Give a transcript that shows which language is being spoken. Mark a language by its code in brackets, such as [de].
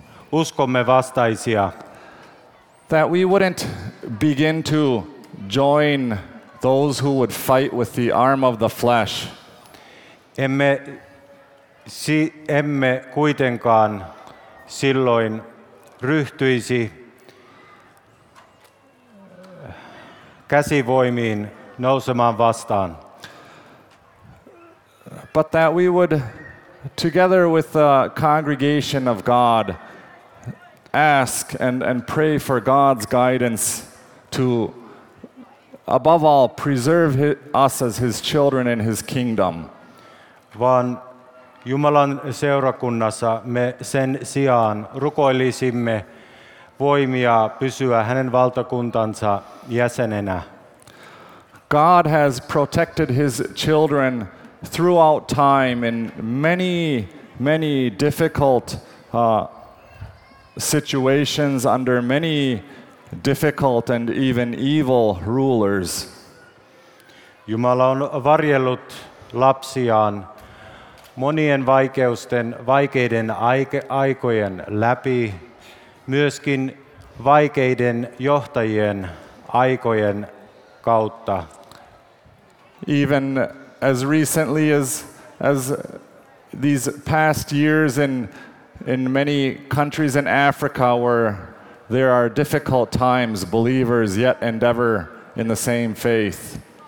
[fi] uskomme vastaisia, [en] that we wouldn't begin to join those who would fight with the arm of the flesh. [fi] Emme emme kuitenkaan silloin ryhtyisi käsivoimiin nousemaan vastaan. [en] But that we would, together with the congregation of God, ask and pray for God's guidance to, above all, preserve us as his children in his kingdom. [fi] Vaan Jumalan seurakunnassa me sen sijaan rukoilisimme voimia pysyä hänen valtakuntansa jäsenenä. [en] God has protected his children throughout time in many, many difficult situations under many difficult and even evil rulers. [fi] Jumala on varjellut lapsiaan monien vaikeiden aikojen läpi, myöskin vaikeiden johtajien aikojen kautta. [en] Even as recently as these past years in many countries in Africa where there are difficult times, believers yet endeavor in the same faith.